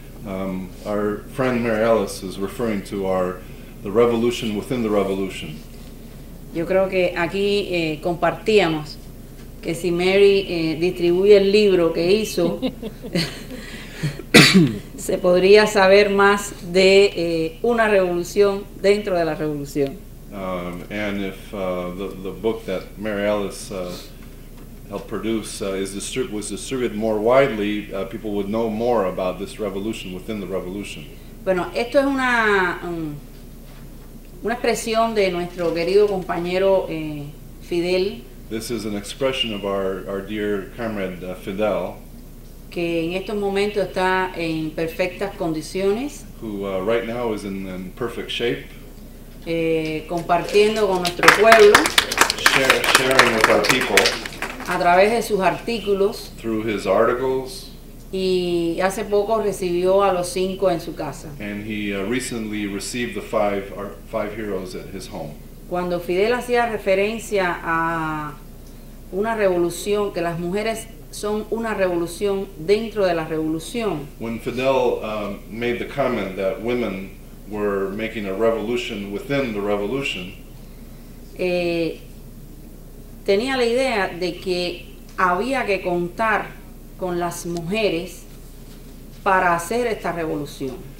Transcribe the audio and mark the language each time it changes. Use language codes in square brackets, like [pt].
[en] Our friend Mary Alice is referring to the revolution within the revolution. [es] Yo creo que aquí compartíamos que si Mary distribuye el libro que hizo, se podría saber más de una revolución dentro de la revolución. [en] And if the book that Mary Alice helped produce was distributed more widely, people would know more about this revolution within the revolution. [es] Bueno, esto es una expresión de nuestro querido compañero Fidel. [en] This is an expression of our dear comrade Fidel. [es] Que en estos momentos está en perfectas condiciones. [en] Who right now is in perfect shape. [es] Compartiendo con nuestro pueblo. [en] Sharing with our people. [es] A través de sus artículos. [en] Through his articles. [es] Y hace poco recibió a los cinco en su casa. [en] And he recently received the five heroes at his home. [es] Cuando Fidel hacía referencia a una revolución, que las mujeres son una revolución dentro de la revolución. [en] When Fidel made the comment that women were making a revolution within the revolution. [es] Tenía la idea de que había que contar con las mujeres para hacer esta revolución.